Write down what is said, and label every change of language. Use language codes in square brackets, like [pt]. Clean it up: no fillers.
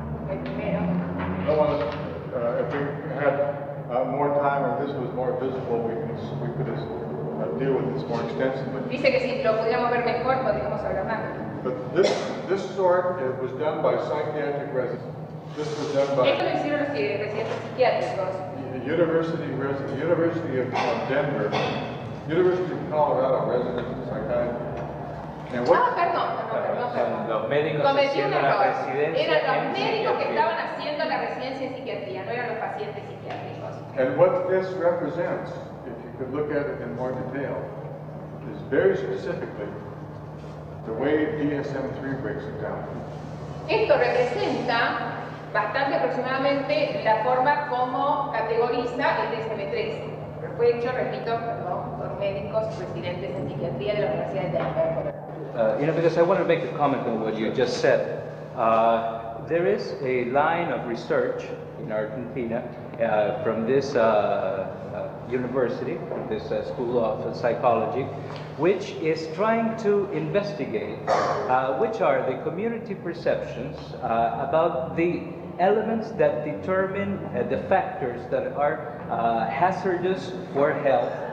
[en] No one, if we had more time or this was more visible, we could deal with this more extensively. [es] Dice que si lo pudiéramos ver mejor, podríamos hablar más. [en] But this sort, it was done by psychiatric residents. This was done by. [es] Esto lo hicieron los residentes psiquiátricos. [en] The University of Denver, University of Colorado residents in psychiatry. And what this represents, if you could look at it in more detail, is very specifically the way DSM-3 breaks it down. [es] Esto representa bastante aproximadamente la forma como categoriza el DSM-3. Fue hecho, repito, por médicos residentes en psiquiatría de la Universidad de Denver. [en] Because I wanted to make a comment on what you just said. There is a line of research in Argentina from this university, this School of Psychology, which is trying to investigate which are the community perceptions about the elements that determine the factors that are hazardous for health,